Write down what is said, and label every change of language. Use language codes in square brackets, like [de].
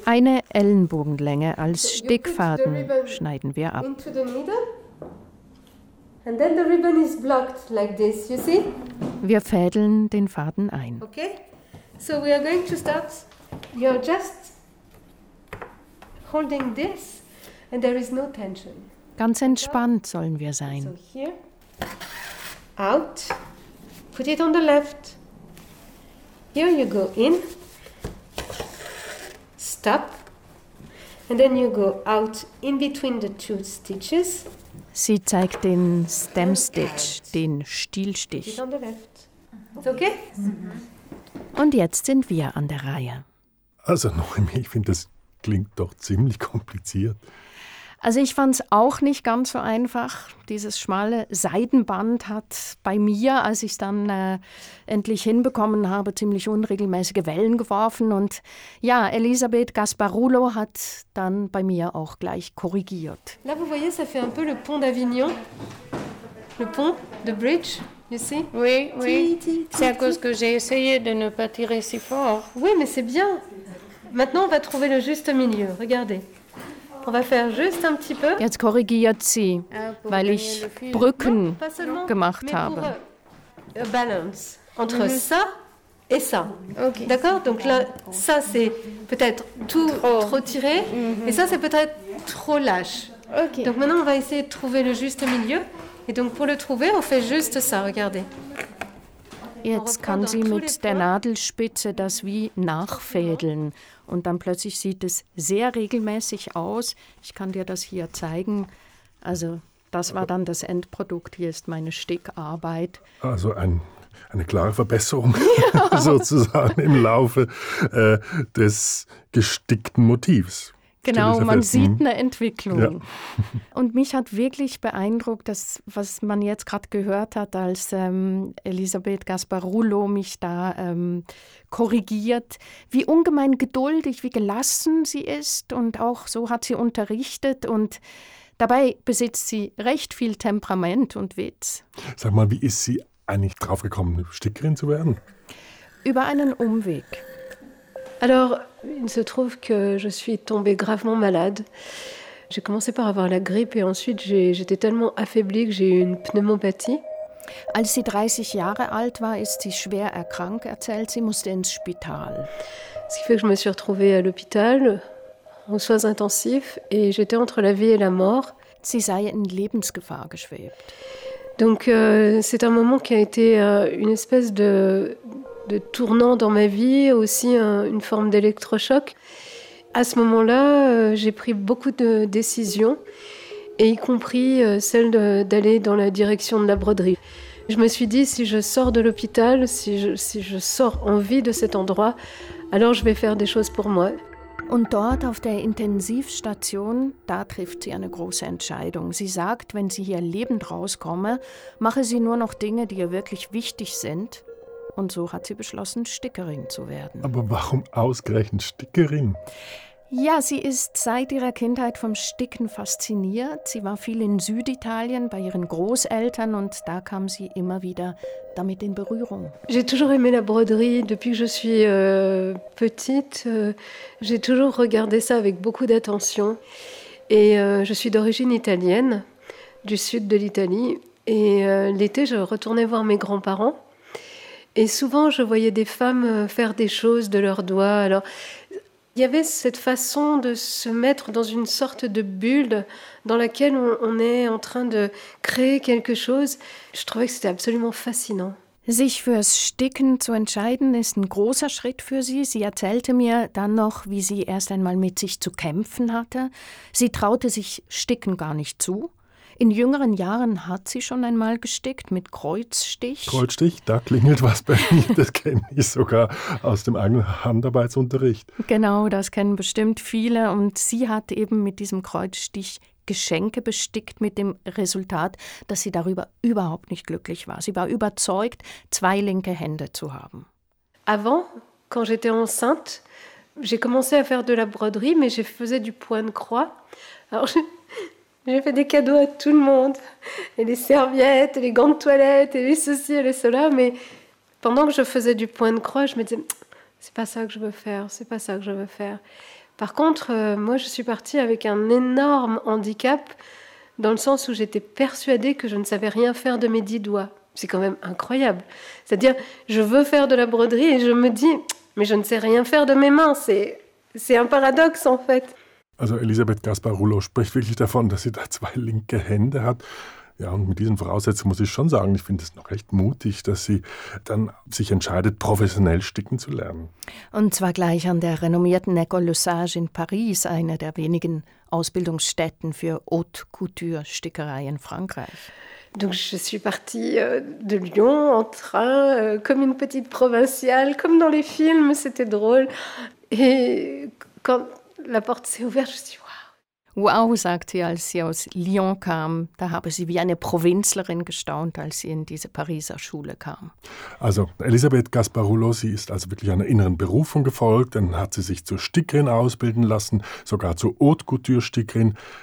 [de] Eine Ellenbogenlänge als so Stickfaden schneiden wir ab. [en] Into the needle. And then the ribbon is blocked like this, you see? [de] Wir fädeln den Faden ein. [en] Okay. So we are going to start. You're just holding this and there is no tension. Ganz entspannt sollen wir sein. So here, out, put it on the left. Here you go in, stop, and then you go out in between the two stitches. [de] Sie zeigt den Stem Stitch, den Stielstich. [en] Put it on the left. It's okay? [de] Und jetzt sind wir an der Reihe. Also Noemi, ich finde, das klingt doch ziemlich kompliziert. Also ich fand es auch nicht ganz so einfach. Dieses schmale Seidenband hat bei mir, als ich es dann endlich hinbekommen habe, ziemlich unregelmäßige Wellen geworfen. Und ja, Elisabeth Gasparulo hat dann bei mir auch gleich korrigiert. [fr] Là, vous voyez, ça fait un peu le pont d'Avignon. Le pont, [en] the bridge, you see? [fr] Oui, oui. C'est à cause que j'ai essayé de ne pas tirer si fort. Oui, mais c'est bien. Maintenant, on va trouver le juste milieu. Regardez. On va faire juste un petit peu. [de] Jetzt korrigiert sie, weil ich Brücken gemacht habe. [fr] Balance entre ça et ça. Okay. D'accord? Donc là, ça c'est peut-être trop tiré et ça c'est peut-être trop lâche. Okay. Donc maintenant on va essayer de trouver le juste milieu et donc pour le trouver, on fait juste ça, regardez. [de] Jetzt kann sie mit der Nadelspitze das wie nachfädeln. Und dann plötzlich sieht es sehr regelmäßig aus. Ich kann dir das hier zeigen. Also das war dann das Endprodukt. Hier ist meine Stickarbeit. Also eine klare Verbesserung, ja. Sozusagen im Laufe des gestickten Motivs. Genau, man sieht eine Entwicklung. Ja. Und mich hat wirklich beeindruckt, dass, was man jetzt gerade gehört hat, als Elisabeth Gasparulo mich da korrigiert, wie ungemein geduldig, wie gelassen sie ist. Und auch so hat sie unterrichtet. Und dabei besitzt sie recht viel Temperament und Witz. Sag mal, wie ist sie eigentlich draufgekommen, Stickerin zu werden? Über einen Umweg. [fr] Alors, il se trouve que je suis tombée gravement malade. J'ai commencé par avoir la grippe et ensuite j'étais tellement affaiblie que j'ai eu une pneumopathie. [de] Als sie 30 Jahre alt war, ist sie schwer erkrankt, erzählt sie, musste ins Spital. [fr] Ce qui fait que je me suis retrouvée à l'hôpital, aux soins intensifs, et j'étais entre la vie et la mort. [de] Sie sei in Lebensgefahr geschwebt. [fr] Donc, c'est un moment qui a été une espèce de tournant dans ma vie, aussi une forme d'électrochoc. À ce moment-là, j'ai pris beaucoup de décisions, et y compris celle d'aller dans la direction de la broderie. Je me suis dit, si je sors de l'hôpital, si je sors en vie de cet endroit, alors je vais faire des choses pour moi. [de] Und dort auf der Intensivstation, da trifft sie eine große Entscheidung. Sie sagt, wenn sie hier lebend rauskomme, mache sie nur noch Dinge, die ihr wirklich wichtig sind. Und so hat sie beschlossen, Stickerin zu werden. Aber warum ausgerechnet Stickerin? Ja, sie ist seit ihrer Kindheit vom Sticken fasziniert. Sie war viel in Süditalien bei ihren Großeltern und da kam sie immer wieder damit in Berührung. [fr] J'ai toujours aimé la broderie depuis que je suis petite. J'ai toujours regardé ça avec beaucoup d'attention. Et je suis d'origine italienne, du sud de l'Italie. Et l'été, je retournais voir mes grands-parents. Et souvent, je voyais des femmes faire des choses de leurs doigts. Alors, il y avait cette façon de se mettre dans une sorte de bulle dans laquelle on est en train de créer quelque chose. Je trouvais que c'était absolument fascinant. [de] Sich fürs Sticken zu entscheiden, ist ein großer Schritt für sie. Sie erzählte mir dann noch, wie sie erst einmal mit sich zu kämpfen hatte. Sie traute sich Sticken gar nicht zu. In jüngeren Jahren hat sie schon einmal gestickt mit Kreuzstich. Kreuzstich, da klingelt was bei mir. Das kenne ich sogar aus dem eigenen Handarbeitsunterricht. Genau, das kennen bestimmt viele. Und sie hat eben mit diesem Kreuzstich Geschenke bestickt mit dem Resultat, dass sie darüber überhaupt nicht glücklich war. Sie war überzeugt, zwei linke Hände zu haben. [fr] Avant, quand j'étais enceinte, j'ai commencé à faire de la broderie, mais je faisais du point de croix. Alors, j'ai fait des cadeaux à tout le monde, et les serviettes, et les gants de toilette, et les ceci et les cela. Mais pendant que je faisais du point de croix, je me disais, c'est pas ça que je veux faire, c'est pas ça que je veux faire. Par contre, moi, je suis partie avec un énorme handicap, dans le sens où j'étais persuadée que je ne savais rien faire de mes 10 doigts. C'est quand même incroyable. C'est-à-dire, je veux faire de la broderie et je me dis, mais je ne sais rien faire de mes mains. C'est un paradoxe, en fait. [de] Also Elisabeth Gaspar-Rouleau spricht wirklich davon, dass sie da zwei linke Hände hat. Ja, und mit diesen Voraussetzungen muss ich schon sagen, ich finde es noch recht mutig, dass sie dann sich entscheidet, professionell sticken zu lernen. Und zwar gleich an der renommierten École Lesage in Paris, einer der wenigen Ausbildungsstätten für Haute Couture-Stickerei in Frankreich. [fr] Donc je suis partie de Lyon en train, comme une petite provinciale, comme dans les films, c'était drôle. Et quand la porte s'est ouverte, je me suis dit wow. [de] Wow, sagt sie, als sie aus Lyon kam, da habe sie wie eine Provinzlerin gestaunt, als sie in diese Pariser Schule kam. Also Elisabeth Gaspar-Rouleau, sie ist also wirklich einer inneren Berufung gefolgt, dann hat sie sich zur Stickerin ausbilden lassen, sogar zur Haute Couture-Stickerin.